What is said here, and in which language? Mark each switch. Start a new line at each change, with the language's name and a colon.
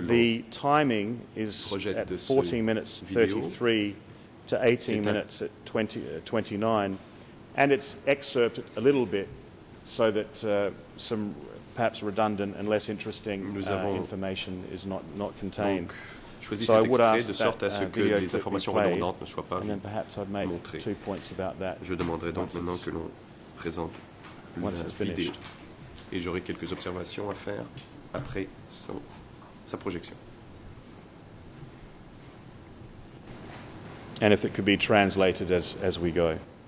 English: the timing is at 14 minutes 33
French: vidéo.
English: To 18 minutes at 29, and it's excerpted a little bit so that some perhaps redundant and less interesting information is not contained.
French: Choisis cet extrait de sorte à ce que les informations redondantes ne soient pas montrées. Je demanderai donc maintenant que l'on présente la vidéo. Et j'aurai quelques observations à faire après sa projection.
English: And if it could be translated as we go.